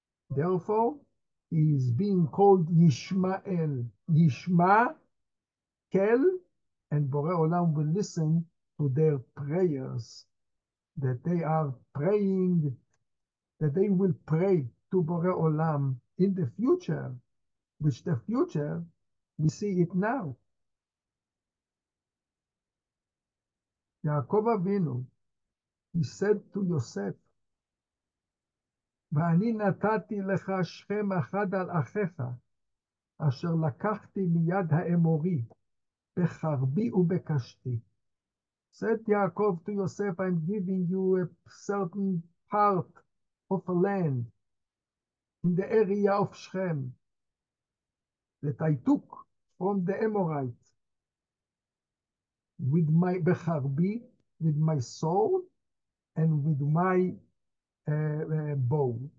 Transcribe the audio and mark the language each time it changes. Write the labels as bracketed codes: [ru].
[en] Therefore, he is being called Yishmael, Yishma, Kel, and Borei Olam will listen to their prayers that they are praying, that they will pray to Borei Olam in the future, which the future, we see it now. Yaakov Avinu, he said to Yosef, [he] ואני נתתי לך שכם אחד על אחיך, אשר לקחתי מיד האמורי, בחרבי ובקשתי. [en] Said Yaakov to Yosef, I'm giving you a certain part of land in the area of Shechem that I took from the Amorites with my bechorbi, with my sword, and with my bow.